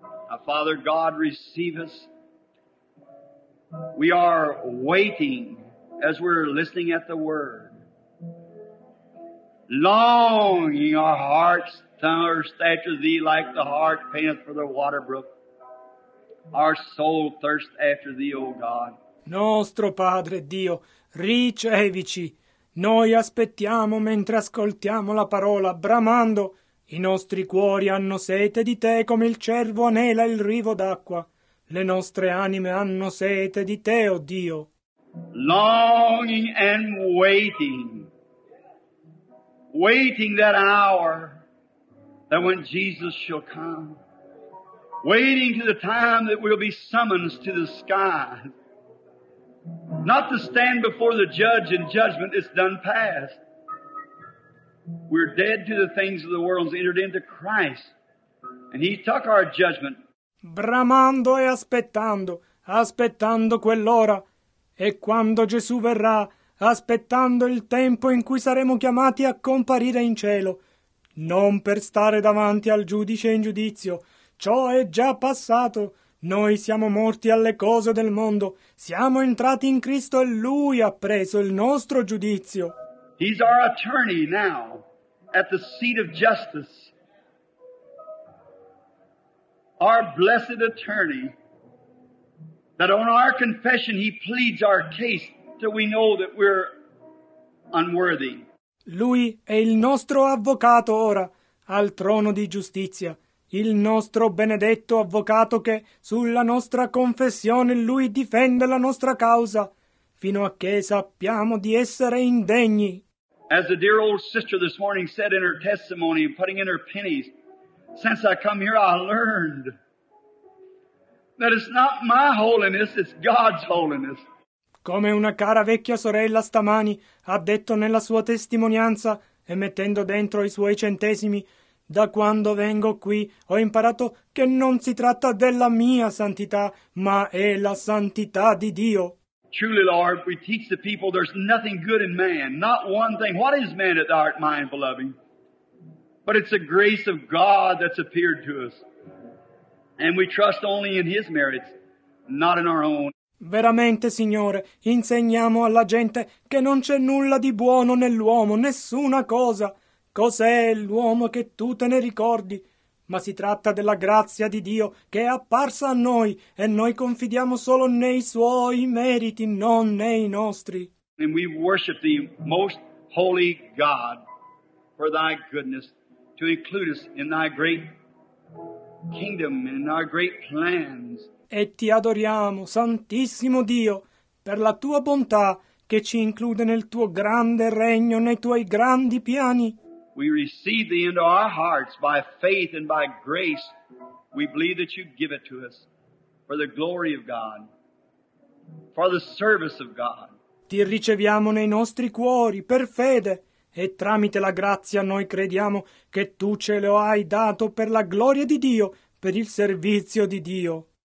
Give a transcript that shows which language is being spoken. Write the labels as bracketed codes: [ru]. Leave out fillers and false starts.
[en] Our Father God, receive us. We are waiting as we're listening at the word. Longing our hearts thirst after thee like the hart panteth for the water brook. Our soul thirsts after thee, O God. [it] Nostro Padre Dio, ricevici. Noi aspettiamo mentre ascoltiamo la parola, bramando. I nostri cuori hanno sete di te come il cervo anela il rivo d'acqua. Le nostre anime hanno sete di te, o Dio. [en] Longing and waiting. Waiting that hour that when Jesus shall come. Waiting to the time that we'll be summoned to the sky. Not to stand before the judge in judgment, it's done past. We're dead to the things of the world, entered into Christ, and he took our judgment. [it] Bramando e aspettando, aspettando quell'ora, e quando Gesù verrà, aspettando il tempo in cui saremo chiamati a comparire in cielo, non per stare davanti al giudice in giudizio, ciò è già passato. Noi siamo morti alle cose del mondo. Siamo entrati in Cristo e Lui ha preso il nostro giudizio. [en] He's our attorney now at the seat of justice. Our blessed attorney. that on our confession he pleads our case till we know that we're unworthy. [it] Lui è il nostro avvocato ora al trono di giustizia, il nostro benedetto avvocato che sulla nostra confessione lui difende la nostra causa fino a che sappiamo di essere indegni. [en] As the dear old sister this morning said in her testimony, putting in her pennies, since I come here I learned that it's not my holiness, it's God's holiness. [it] Come una cara vecchia sorella stamani ha detto nella sua testimonianza e mettendo dentro i suoi centesimi, da quando vengo qui ho imparato che non si tratta della mia santità, ma è la santità di Dio. [en] Truly, Lord, we teach the people there's nothing good in man, not one thing. What is man that thou art mindful of him? But it's the grace of God that's appeared to us. And we trust only in his merits, not in our own. [it] Veramente, Signore, insegniamo alla gente che non c'è nulla di buono nell'uomo, nessuna cosa. Cos'è l'uomo che tu te ne ricordi? Ma si tratta della grazia di Dio che è apparsa a noi e noi confidiamo solo nei suoi meriti, non nei nostri. [en] And we worship thee, most holy God, for thy goodness, to include us in thy great kingdom and in our great plans. [it] E ti adoriamo, Santissimo Dio, per la tua bontà che ci include nel tuo grande regno, nei tuoi grandi piani. [en] We receive thee into our hearts by faith and by grace. We believe that you give it to us for the glory of God, for the service of God. [it] Ti riceviamo nei nostri cuori per fede e tramite la grazia noi crediamo che tu ce lo hai dato per la gloria di Dio, per il servizio di Dio.